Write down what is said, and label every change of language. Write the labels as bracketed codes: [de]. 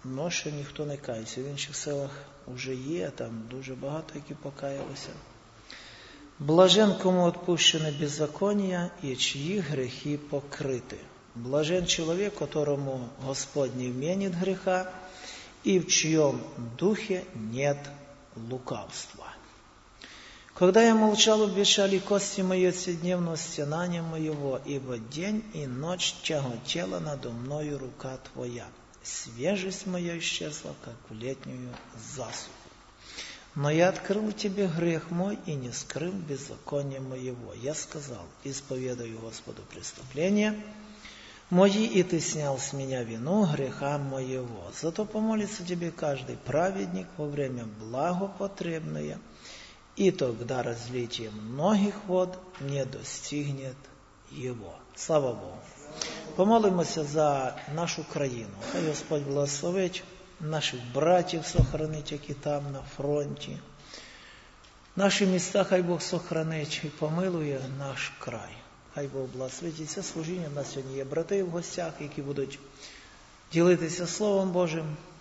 [uk] Но ще ніхто не каявся. В інших селах вже є, там дуже багато, які покаялися. Блажен, кому відпущене беззаконня, і чиї гріхи покрити. Блажен чоловік, которому Господь не вмінить гріха, і в чиєм духі нет лукавства. [ru] Когда я молчал, обещали кости мои вседневного стенания моего, ибо день и ночь тяготела надо мною рука твоя. Свежесть моя исчезла, как в летнюю засуху. Но я открыл тебе грех мой и не скрыл беззаконие моего. Я сказал, исповедую Господу преступления мои, и ты снял с меня вину греха моего. Зато помолится тебе каждый праведник во время благопотребное, и тогда разлитие многих вод не достигнет его. [uk] Слава Богу! Помолимося за нашу країну. Хай Господь благословить наших братів, сохранить, які там на фронті. Наші міста хай Бог сохранить і помилує наш край. Хай Бог благословить. І це служіння. У нас сьогодні є брати в гостях, які будуть ділитися Словом Божим.